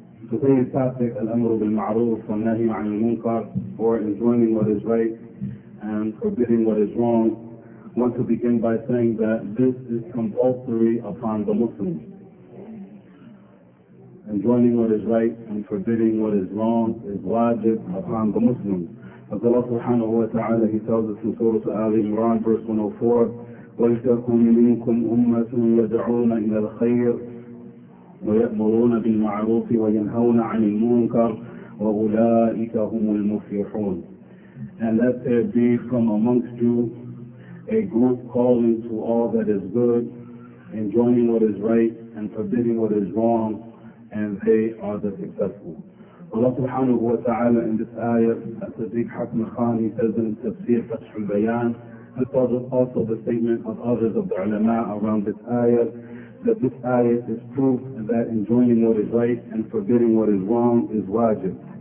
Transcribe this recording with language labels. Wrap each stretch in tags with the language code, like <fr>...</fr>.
<en>Today's topic, Al-Amru bil-Ma'roof, wa nahi al-Munkar, for enjoining what is right and forbidding what is wrong, I want to begin by saying that this is compulsory upon the Muslims. Enjoining what is right and forbidding what is wrong is wajib upon the Muslims. As Allah subhanahu wa ta'ala, He tells us in Surah Ali Imran, verse 104,</en> <ar>وَلْتَكُمْ مِنْكُمْ أُمَّةٌ يَدْعُونَ إِلَى الْخَيْرِ وَيَأْمُرُونَ بِالْمَعْرُوفِ وَيَنْهَوْنَ عَنِ الْمُنْكَرِ وَأُولَٰئِكَ هُمُ الْمُفْلِحُونَ.</ar> <en>And let there be from amongst you a group calling to all that is good, enjoining what is right and forbidding what is wrong, and they are the successful. Allah subhanahu wa ta'ala in this ayah, as Sadiq Hakim Khan, he says in Tafsir Fath al-Bayan, this is also the statement of others of the ulama around this ayah, that this ayah is proof that enjoining what is right and forbidding what is wrong is wajib.</en>